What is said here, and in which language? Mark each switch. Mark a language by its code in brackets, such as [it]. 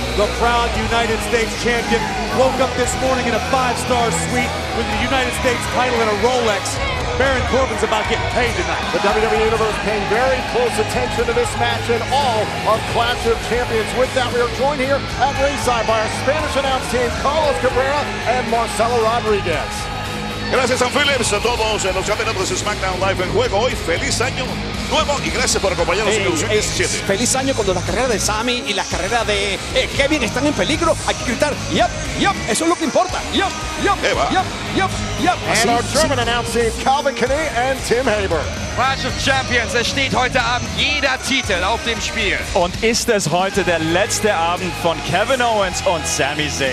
[en] The proud United States champion woke up this morning in a five-star suite with the United States title and a Rolex. Baron Corbin's about getting paid tonight. The WWE Universe paying very close attention to this match and all of Clash of Champions. With that, we are joined here at ringside by our Spanish announced team, Carlos Cabrera and Marcelo Rodriguez. [es] Gracias, San Phillips, a todos en los campeonatos de SmackDown Live en juego hoy. Feliz año nuevo y gracias por acompañarnos en el 2017. Feliz año cuando la carrera de Sami y la carrera de Kevin están en peligro. Hay que gritar, yup, yup, eso es lo que importa. Yup, yup, yup, yup, yup. [en] And our German announcing, Calvin Kinney and Tim Haber. [de] Clash of Champions, es steht heute Abend jeder Titel auf dem Spiel. Und ist es heute der letzte Abend von Kevin Owens und Sami Zayn?